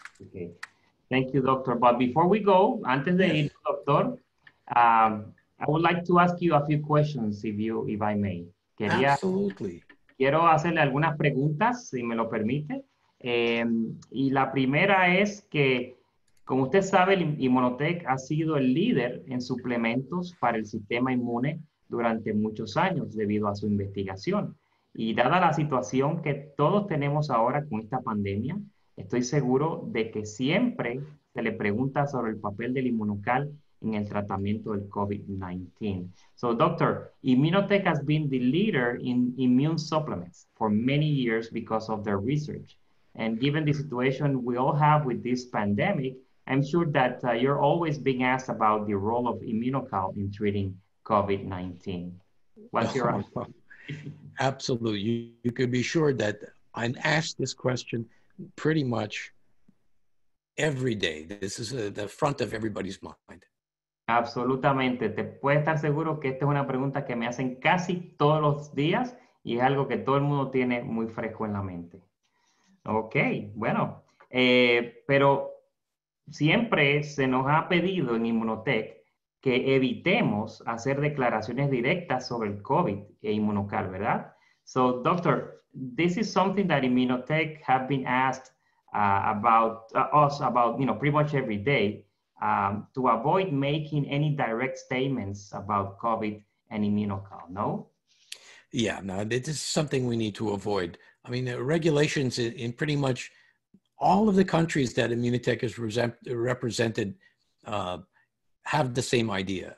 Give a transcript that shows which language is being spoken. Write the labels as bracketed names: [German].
[English] Okay. Thank you, doctor. But before we go, [Spanish] antes de ir, [English] doctor, I would like to ask you a few questions, if I may. [Spanish] Quería, [English] absolutely. [Spanish] Quiero hacerle algunas preguntas, si me lo permite. Y la primera es que, como usted sabe, Immunotech ha sido el líder en suplementos para el sistema inmune durante muchos años debido a su investigación. Y dada la situación que todos tenemos ahora con esta pandemia, estoy seguro de que siempre se le pregunta sobre el papel del inmunocal en el tratamiento del COVID-19. [English] So, doctor, Immunotech has been the leader in immune supplements for many years because of their research. And given the situation we all have with this pandemic, I'm sure that you're always being asked about the role of Immunocal in treating COVID-19. What's your answer? Absolutely. You can be sure that I'm asked this question pretty much every day. This is the front of everybody's mind. [Spanish] Absolutamente. Te puedes estar seguro que esta es una pregunta que me hacen casi todos los días y es algo que todo el mundo tiene muy fresco en la mente. Ok, bueno. Pero siempre se nos ha pedido en Immunotech que evitemos hacer declaraciones directas sobre el COVID e Immunocal, ¿verdad? [English] So, doctor, this is something that Immunotech have been asked about pretty much every day. To avoid making any direct statements about COVID and Immunocal, no? Yeah, no, this is something we need to avoid. I mean, the regulations in pretty much all of the countries that Immunotech is represented have the same idea.